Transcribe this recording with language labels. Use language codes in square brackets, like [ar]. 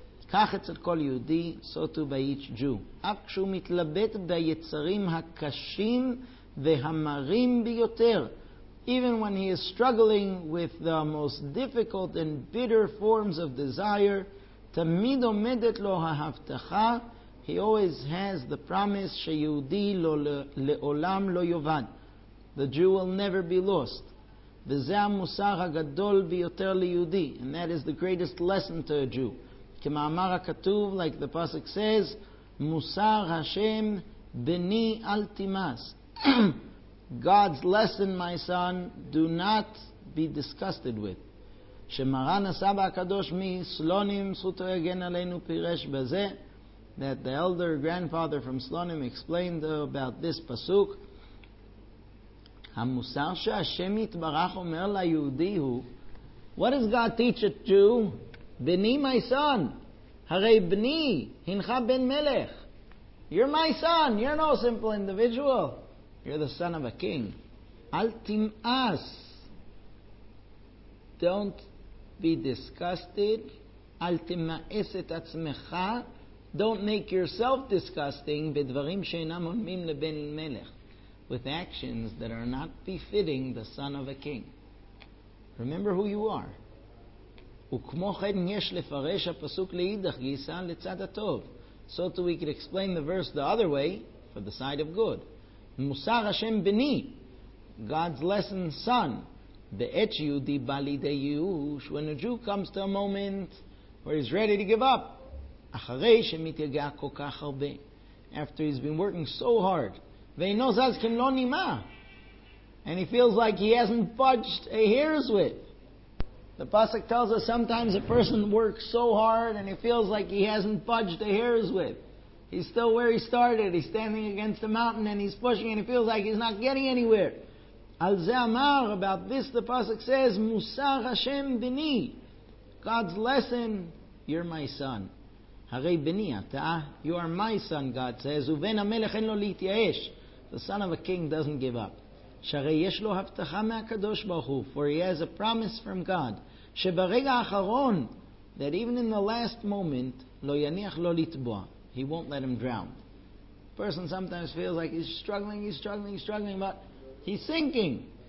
[he] כך אצל כל יהודי, [en] so too by each Jew. [he] אף כשהוא מתלבט ביצרים הקשים והמרים ביותר, [en] even when he is struggling with the most difficult and bitter forms of desire, [he] תמיד עומדת לו ההבטחה, [en] he always has the promise [he] שיהודי לעולם לא יובד. [en] The Jew will never be lost. [he] וזה המוסר הגדול ביותר ליהודי, [en] and that is the greatest lesson to a Jew. [he] כמאמר הכתוב, [en] like the pasuk says, [he] מוסר השם בני אל תימס. [en] God's lesson, my son, do not be disgusted with. [he] שמרן הסבא הקדוש מסלונים, זכותו יגן עלינו פירש בזה, [en] that the elder grandfather from Slonim explained about this pasuk, [he] המוסר שהשם יתברך אומר ליהודי הוא, [en] what does God teach a Jew? [he] בני, [en] my son. [he] הרי בני, הנך בן מלך. [en] You're my son. You're no simple individual. You're the son of a king. [he] אל תמאס. [en] Don't be disgusted. [he] אל תמאס את עצמך. [en] Don't make yourself disgusting [he] בדברים שאינם הולמים לבן מלך, [en] with actions that are not befitting the son of a king. Remember who you are. [he] וכמו כן יש לפרש הפסוק לאידך גיסא לצד הטוב. [en] So too we could explain the verse the other way, for the side of good. [he] מוסר השם בני, [en] God's lesson son, [he] בעת שיהודי בא לידי ייאוש, [en] when a Jew comes to a moment where he's ready to give up, [he] אחרי שמתייגע כל כך הרבה, [en] after he's been working so hard, [he] ואינו זז כמלוא נימה, [en] and he feels like he hasn't budged a hair's width. The pasuk tells us sometimes a person works so hard and he feels like he hasn't budged a hair's width. He's still where he started. He's standing against the mountain and he's pushing and he feels like he's not getting anywhere. [he] Al ze amar, [en] about this the pasuk says, [he] מוסר השם בני, [en] God's lesson, you're my son. [he] הרי בני אתה, [en] you are my son, God says, [he] ובן המלך אין לו להתייאש. [en] The son of a king doesn't give up. [he] שהרי יש לו הבטחה מהקדוש ברוך הוא, [en] for he has a promise from God, [he] שברגע האחרון, [en] that even in the last moment, [he] לא יניח לו לטבוע. [en] He won't let him drown. A person sometimes feels like he's struggling, but he's sinking.